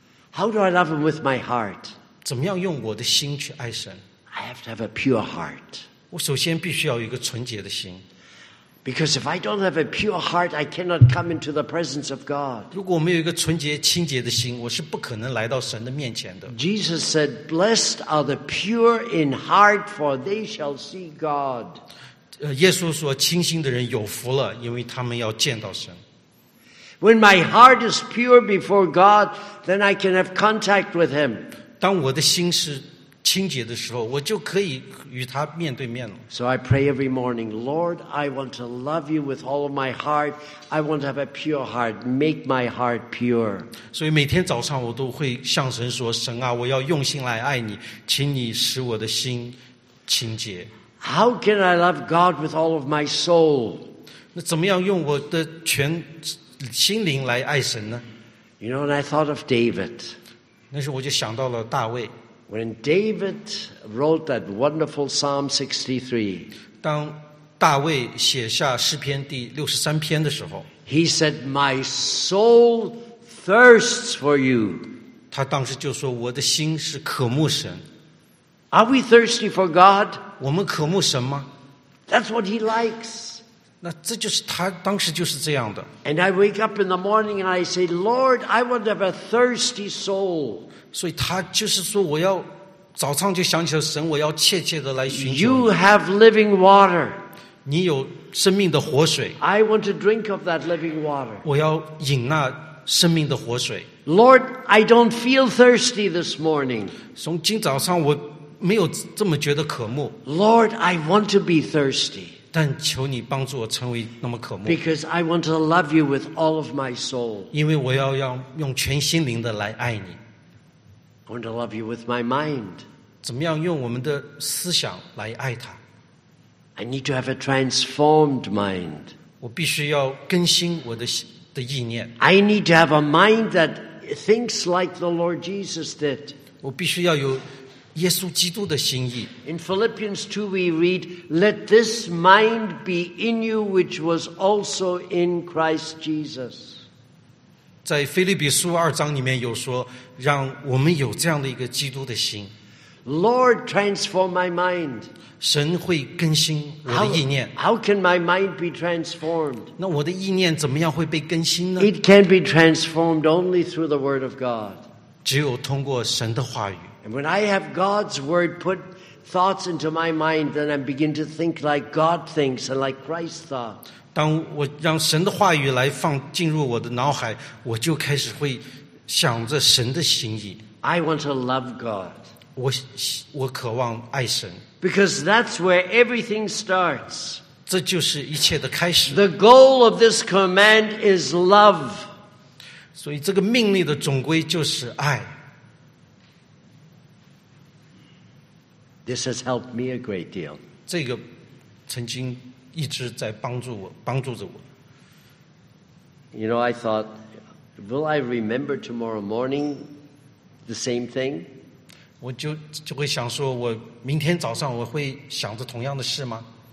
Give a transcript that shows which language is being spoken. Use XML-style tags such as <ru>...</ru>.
<en>How do I love him with my heart?</en> <zh>怎么样用我的心去爱神？</zh> <en>I have to have a pure heart.</en> <zh>我首先必须要有一个纯洁的心。</zh> <en>Because if I don't have a pure heart, I cannot come into the presence of God.</en> <zh>如果我没有一个纯洁清洁的心，我是不可能来到神的面前的。</zh> <en>Jesus said, "Blessed are the pure in heart, for they shall see God."</en> <zh>耶稣说，清心的人有福了，因为他们要见到神。</zh> <en>When my heart is pure before God, then I can have contact with Him.</en> <zh>当我的心是清洁的时候，我就可以与他面对面了。</zh> <en>So I pray every morning, Lord, I want to love you with all of my heart. I want to have a pure heart. Make my heart pure.</en> <zh>所以每天早上我都会向神说，神啊，我要用心来爱你，请你使我的心清洁。</zh> <en>How can I love God with all of my soul?</en> <zh>那怎么样用我的全心灵来爱神呢？</zh> <en>You know, when I thought of David,</en> <zh>那时候我就想到了大卫。</zh> <en>When David wrote that wonderful Psalm 63,</en> <zh>当大卫写下诗篇第六十三篇的时候，</zh> <en>He said, "My soul thirsts for you."</en> <zh>他当时就说，我的心是渴慕神。</zh> <en>Are we thirsty for God?</en> <zh>我们渴慕神吗？</zh> <en>That's what he likes.</en> <zh>那这就是他当时就是这样的。</zh> <en>And I wake up in the morning and I say, Lord, I want to have a thirsty soul.</en> <zh>所以他就是说，我要早上就想起了神，我要切切的来寻求。</zh> <en>You have living water.</en> <zh>你有生命的活水。</zh> <en>I want to drink of that living water.</en> <zh>我要饮那生命的活水。</zh> <en>Lord, I don't feel thirsty this morning.</en> <zh>从今早上我没有这么觉得渴慕。</zh> <en>Lord, I want to be thirsty.</en> <zh>但求你帮助我成为那么渴慕。</zh> <en>Because I want to love you with all of my soul.</en> <zh>因为我要用全心灵的来爱你。</zh> <en>I want to love you with my mind.</en> <zh>怎么样用我们的思想来爱他？</zh> <en>I need to have a transformed mind.</en> <zh>我必须要更新我的意念。</zh> <en>I need to have a mind that thinks like the Lord Jesus did.</en> <zh>我必须要有耶稣基督的心意。</zh> <en>In Philippians 2 we read, Let this mind be in you which was also in Christ Jesus.</en> <zh>在腓立比书二章里面有说，让我们有这样的一个基督的心。</zh> <en>Lord, transform my mind.</en> <zh>神会更新我的意念。</zh> <en>How can my mind be transformed?</en> <zh>那我的意念怎么样会被更新呢？</zh> <en>It can be transformed only through the word of God.</en> <zh>只有通过神的话语。</zh> <en>And when I have God's word put thoughts into my mind, then I begin to think like God thinks and like Christ thought.</en> <zh>当我让神的话语来放进入我的脑海，我就开始会想着神的心意。</zh> <en>I want to love God.</en> <zh>我渴望爱神。</zh> <en>Because that's where everything starts.</en> <zh>这就是一切的开始。</zh> <en>The goal of this command is love.</en> <zh>所以这个命令的总归就是爱。</zh> <en>This has helped me a great deal.</en> <zh>这个曾经一直在帮助我，帮助着我。</zh> <en>You know, I thought, will I remember tomorrow morning the same thing?</en> <zh>我就会想说，我明天早上我会想着同样的事吗？</zh>